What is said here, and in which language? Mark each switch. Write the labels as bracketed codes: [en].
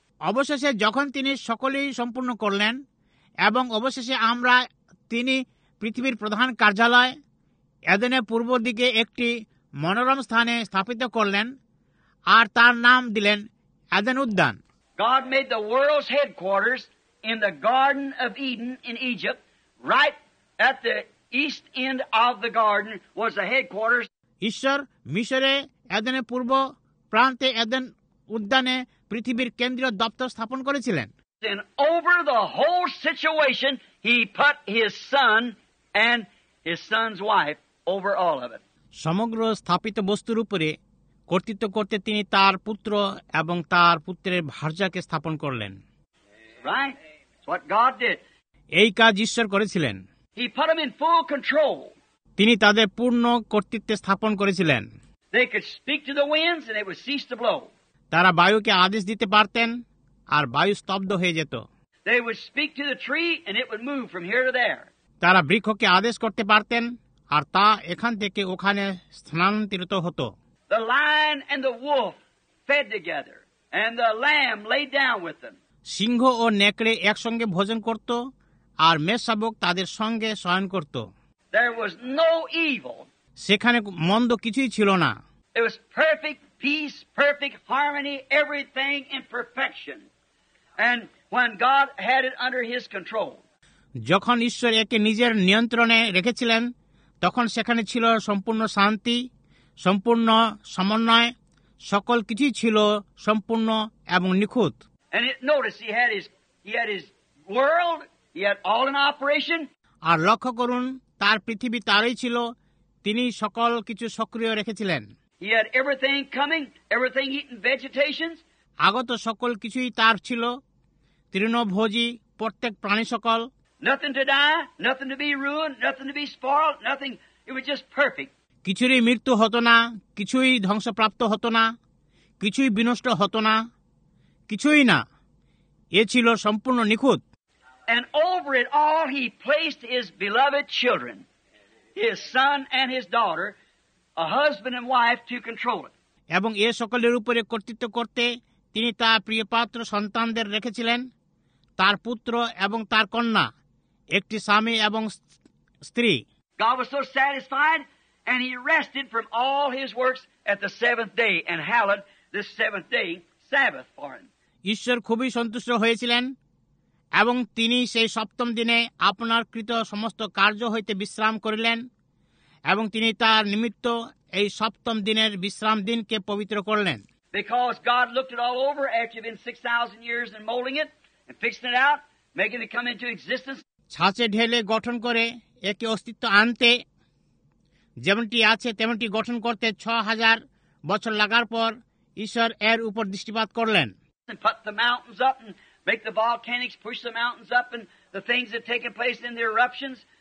[bn] অবশেষে যখন তিনি সকলেই সম্পূর্ণ করলেন এবং অবশেষে আমরা তিনি পৃথিবীর প্রধান কার্যালয় এদেনে পূর্ব দিকে একটি মনোরম স্থানে স্থাপিত করলেন আর তার নাম দিলেন এদেন উদ্যান। [en] God made the world's headquarters in the Garden of Eden in Egypt, right at the east end of the garden was the headquarters. [bn] ঈশ্বর মিশরে এদেনের পূর্ব প্রান্তে এদেন উদ্যানে পৃথিবীর কেন্দ্রীয় দপ্তর স্থাপন করেছিলেন। [en] And over the whole situation he put his son and his son's wife over all of it. [bn] সমগ্র স্থাপিত বস্তুর উপরে কর্তৃত্ব করতে তিনি তার পুত্র এবং তার পুত্রের ভার্যাকে স্থাপন করলেন। [en] Right? That's what God did. [bn] এই কাজ ঈশ্বর করেছিলেন। [en] He put them in full control. [bn] তিনি তাদের পূর্ণ কর্তৃত্বে স্থাপন করেছিলেন। [en] They could speak to the winds and it would cease to blow. [bn] তারা বায়ুকে আদেশ দিতে পারতেন আর বায়ু স্তব্ধ হয়ে যেত। [en] They would speak to the tree and it would move from here to there. [bn] তারা বৃক্ষকে আদেশ করতে পারতেন আর তা এখান থেকে ওখানে স্থানান্তরিত হতো। [en] The lion and the wolf fed together and the lamb lay down with them. [bn] সিংহ ও নেকড়ে একসঙ্গে ভোজন করত আর মেষশাবক তাদের সঙ্গে শয়ন করত। [en] There was no evil. [bn] সেখানে মন্দ কিছুই ছিল না। [en] It was perfect peace, perfect harmony, everything in perfection. And when God had it under his control. [bn] যখন ঈশ্বর একে নিজের নিয়ন্ত্রণে রেখেছিলেন তখন সেখানে ছিল সম্পূর্ণ শান্তি, সম্পূর্ণ সমন্বয়, সকল কিছু ছিল সম্পূর্ণ এবং নিখুঁত। [en] And it noticed he had his world, he had all in operation. [bn] আর লক্ষ্য করুন তার পৃথিবী তারই ছিল, তিনি সকল কিছু সক্রিয় রেখেছিলেন। [en] He had everything coming, everything eating vegetations. [bn] আগত সকল কিছুই তার ছিল, তৃণভোজী প্রত্যেক প্রাণী সকল। [en] Nothing to die, nothing to be ruined, nothing to be spoiled, nothing. It was just perfect. [bn] কিছুরই মৃত্যু হতো না, কিছুই ধ্বংসপ্রাপ্ত হতো না, কিছুই বিনষ্ট হতো না, কিছুই না। এ ছিল সম্পূর্ণ নিখুঁত। [en] And over it all he placed his beloved children, his son and his daughter, a husband and wife to control it. [bn] এবং এ সকলের উপরে কর্তৃত্ব করতে তিনি তার প্রিয়পাত্র সন্তানদের রেখেছিলেন, তার পুত্র এবং তার কন্যা, একটি স্বামী এবং স্ত্রী। [en] God was so satisfied and he rested from all his works at the seventh day and hallowed this seventh day Sabbath for him. [bn] ঈশ্বর খুবই সন্তুষ্ট হয়েছিলেন এবং তিনি সেই সপ্তম দিনে আপনার কৃত সমস্ত কার্য হইতে বিশ্রাম করিলেন এবং তিনি তার নিমিত্ত এই সপ্তম দিনের বিশ্রাম দিনকে পবিত্র করলেন। [en] Because God looked it all over after you've been 6,000 years and molding it and fixing it out, making it come into existence. [bn] ছাঁচে ঢেলে গঠন করে একে অস্তিত্ব আনতে, যেমনটি আছে তেমনটি গঠন করতে 6,000 বছর লাগার পর ঈশ্বর এর উপর দৃষ্টিপাত করলেন। [en] Put the mountains up and make the volcanics push the mountains up and the things that take place in the eruptions.